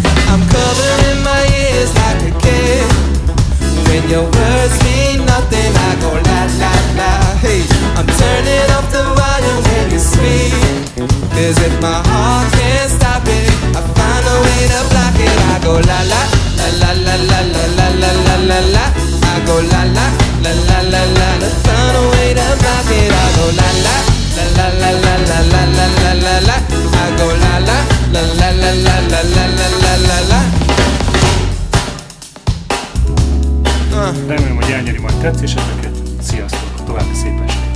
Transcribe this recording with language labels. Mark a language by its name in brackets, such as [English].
[English] I'm covering my ears like a kid. When your words mean nothing, I go la la la. Hey, I'm turning off the volume when you speak, 'cause if my heart can't stop it, I find a way to block it. I go la la la la la la la la la la la la. I go la la la la la la la. Find a way to block it. I go la la la la la la la la la la la la. I go la la la la la la la la la la la la. [Hungarian] Remélem, hogy elnyeri majd tetszéseteket. Sziasztok, további szép estét!